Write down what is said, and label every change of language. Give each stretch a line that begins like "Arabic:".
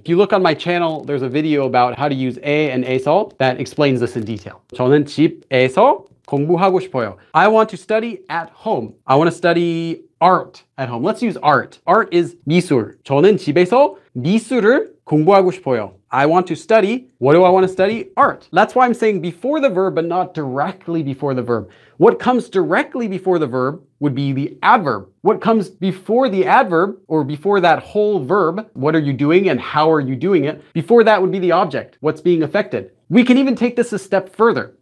English: If you look on my channel, there's a video about how to use 에 and 에서 that explains this in detail.
Korean: 저는 집에서 공부하고 싶어요.
English: I want to study at home. I want to study art at home. Let's use art. Art is 미술.
Korean: 저는 집에서 미술을 공부하고 싶어요.
English: I want to study. What do I want to study? Art. That's why I'm saying before the verb, but not directly before the verb. What comes directly before the verb would be the adverb. What comes before the adverb or before that whole verb, what are you doing and how are you doing it? Before that would be the object. What's being affected? We can even take this a step further.